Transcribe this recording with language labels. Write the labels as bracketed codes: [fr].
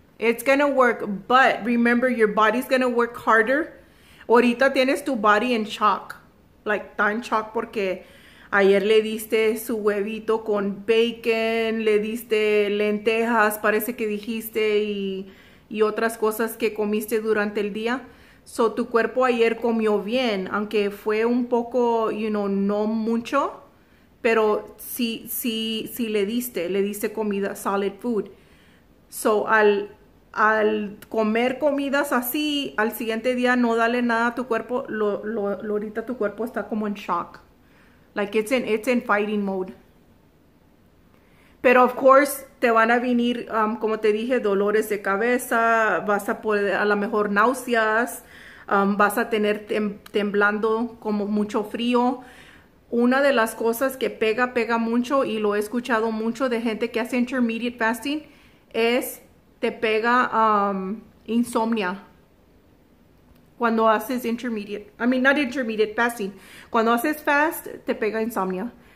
[en] It's gonna work, but remember your body's gonna work harder. [es] Ahorita tienes tu body en shock, like tan shock porque ayer le diste su huevito con bacon, le diste lentejas, parece que dijiste y otras cosas que comiste durante el día. So tu cuerpo ayer comió bien, aunque fue un poco, no mucho, pero sí le diste comida, solid food. So al comer comidas así, al siguiente día no dale nada a tu cuerpo, ahorita tu cuerpo está como en shock. [en] Like it's in fighting mode. [es] Pero of course te van a venir, como te dije, dolores de cabeza, vas a poder, a lo mejor náuseas, vas a tener temblando como mucho frío. Una de las cosas que pega mucho y lo he escuchado mucho de gente que hace intermittent fasting es te pega insomnia cuando haces intermittent, I mean, not intermittent fasting, cuando haces fast te pega insomnia.